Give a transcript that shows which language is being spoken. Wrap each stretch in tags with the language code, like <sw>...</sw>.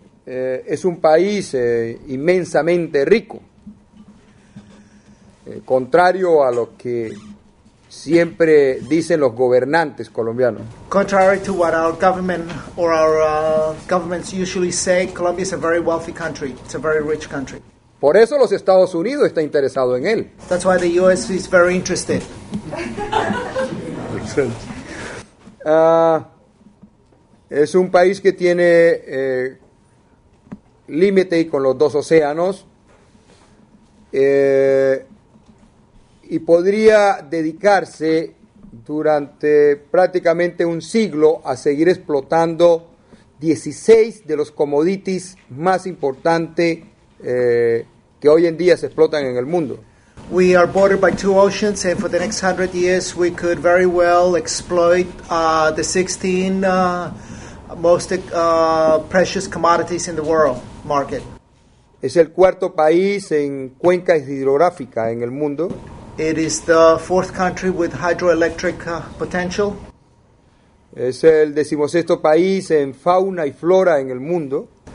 <es>es un país inmensamente rico, contrario a lo que siempre dicen los gobernantes colombianos.</es> <en>Contrary to what our government or our governments usually say, Colombia is a very wealthy country. It's a very rich country.</en> <es>Por eso los Estados Unidos está interesado en él.</es> <en>That's why the U.S. is very interested. Makes sense.</en> <es>Es un país que tiene límite con los dos océanos. Y podría dedicarse durante prácticamente un siglo a seguir explotando 16 de los commodities más importantes que hoy en día se explotan en el mundo.</es> <en>We are bordered by two oceans, and for the next 100 years we could very well exploit the 16 most precious commodities in the world market.</en> <es>Es el cuarto país en cuenca hidrográfica en el mundo.</es> <en>It is the fourth country with hydroelectric potential.</en> <es>Es el decimosexto país en fauna y flora en el mundo.</es>